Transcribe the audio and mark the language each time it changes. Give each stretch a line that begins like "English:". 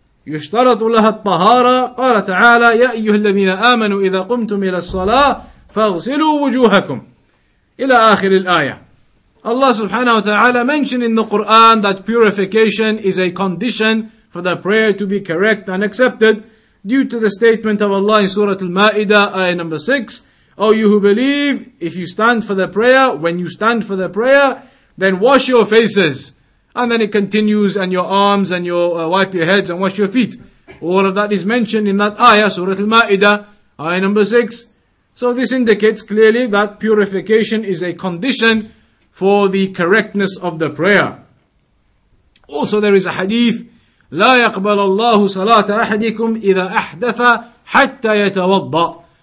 Arabic: يشترط لها الطهارة قال تعالى يا أيها الذين آمنوا إذا قمتم إلى الصلاة فاغسلوا وجوهكم إلى آخر الآية.
English: Allah subhanahu wa ta'ala mentioned in the Quran that purification is a condition for the prayer to be correct and accepted due to the statement of Allah in Surah Al-Ma'idah, ayah number 6. O you who believe, if you stand for the prayer, when you stand for the prayer, then wash your faces. And then it continues, and your arms, and your wipe your heads, and wash your feet. All of that is mentioned in that ayah, Surah Al-Ma'idah, ayah number 6. So this indicates clearly that purification is a condition for the correctness of the prayer. Also there is a hadith,
Arabic: لا يقبل الله صلاة أحدكم إذا أحدث حتى يتوضأ.